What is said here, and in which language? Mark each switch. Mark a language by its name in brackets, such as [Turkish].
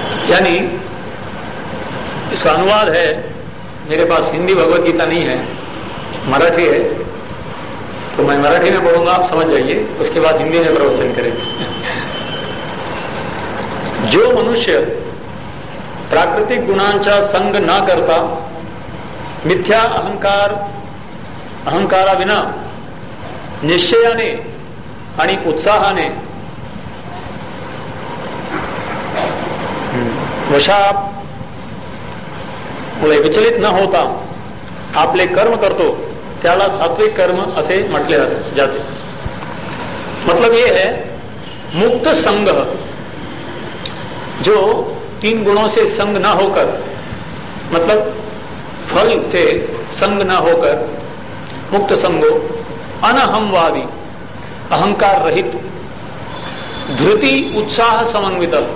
[Hindi] यानी इसका अनुवाद है, मेरे पास हिंदी भगवद गीता नहीं है, मराठी है, तो मैं मराठी में पढ़ूंगा, आप समझ जाइए, उसके बाद हिंदी में प्रवचन करेंगे। [Marathi] जो मनुष्य प्राकृतिक गुणांचा संग ना करता, मिथ्या अहंकार अहंकारा विना निश्चयाने आणि उत्साहाने वशाप मुळे विचलित न होता आपले कर्म करतो त्याला सात्विक कर्म असे म्हटले जाते। [Hindi] मतलब ये है, मुक्त संग जो तीन गुणों से संग ना होकर, मतलब फल से संग ना होकर, [Sanskrit] मुक्त संगो अनहमवादी अहंकार रहित धृति उत्साह समन्वित